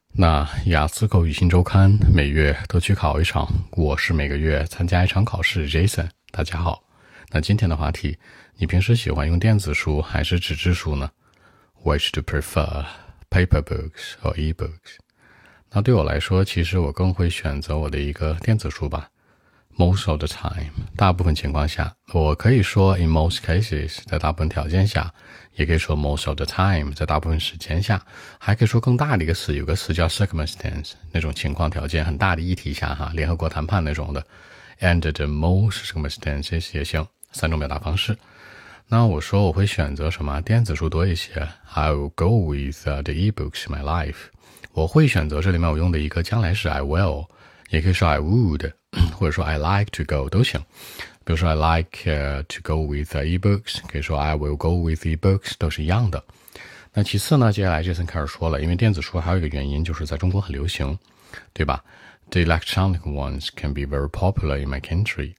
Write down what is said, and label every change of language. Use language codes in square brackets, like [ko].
[zh] 那雅思口语新周刊每月都去考一场，我是每个月参加一场考试 Jason。大家好，那今天的话题，你平时喜欢用电子书还是纸质书呢？ [en] Which do you prefer, paper books or e-books? [zh] 那对我来说，其实我更会选择我的一个电子书吧。 [en] Most of the time, [zh] 大部分情况下，我可以说 [en] in most cases, [zh] 在大部分条件下，也可以说 [en] most of the time, [zh] 在大部分时间下，还可以说更大的一个词，有个词叫 circumstance, 那种情况条件很大的议题下，联合国谈判那种的。 [en] Under the most circumstances [zh] 也行，三种表达方式。那我说我会选择什么电子书多一些， [en] I'll go with the e-books in my life。 [zh] 我会选择，这里面我用的一个将来是 [en] I will, [zh] 也可以说 [en] I would, [zh] 或者说 [en] I like to go [zh] 都行。比如说 [en] I like to go with e-books, [zh] 可以说 [en] I will go with e-books, [zh] 都是一样的。那其次呢，接下来 Jason 开始说了，因为电子书还有一个原因，就是在中国很流行，对吧？ [en] The electronic ones can be very popular in my country.